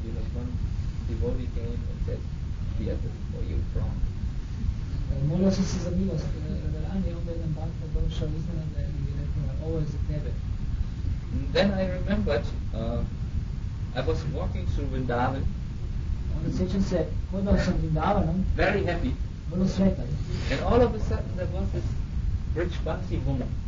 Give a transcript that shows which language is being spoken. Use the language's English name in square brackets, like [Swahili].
[English] You know, one devotee came and said, "Here, this is where you're from." [Croatian] Molio sam se za milost Radharani, onda jedan bhakta došao iznenada i rekao, ovo je za tebe. [English] Then I remembered, I was walking through Vrindavan. [Croatian] Onda sjećam se, hodao sam Vrindavanom. [English] Very happy. [Croatian] Vrlo sretan. [English] And all of a sudden there was this Vrijabasi woman.